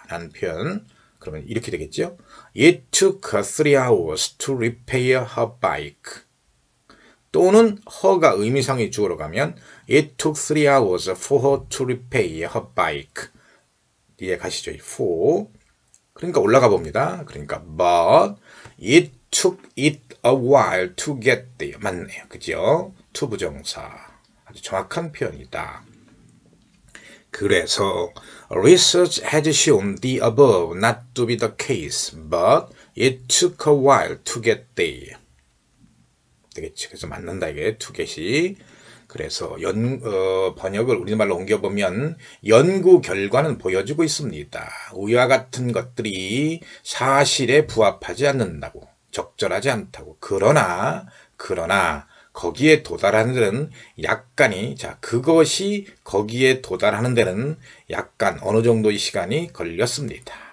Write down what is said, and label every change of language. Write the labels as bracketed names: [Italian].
[Korean] 라는 표현. 그러면 이렇게 되겠죠? [English] It took her 3 hours to repair her bike. [Korean] 또는 her가 의미상의 주어로 가면 [English] It took 3 hours for her to repair her bike. [Korean] 이해 가시죠? [English] for. [Korean] 그러니까 올라가 봅니다. 그러니까 [English] but it took it a while to get there. [Korean] 맞네요. 그죠? to 부정사. 아주 정확한 표현이다. 그래서 [English] research has shown the above not to be the case, but it took a while to get there. [Korean] 되겠지? 그래서 맞는다 이게 to get이. 그래서 번역을 우리말로 옮겨보면 연구 결과는 보여주고 있습니다. 우리와 같은 것들이 사실에 부합하지 않는다고, 적절하지 않다고. 그러나 거기에 도달하는 데는 약간이, 자, 그것이 거기에 도달하는 데는 약간 어느 정도의 시간이 걸렸습니다.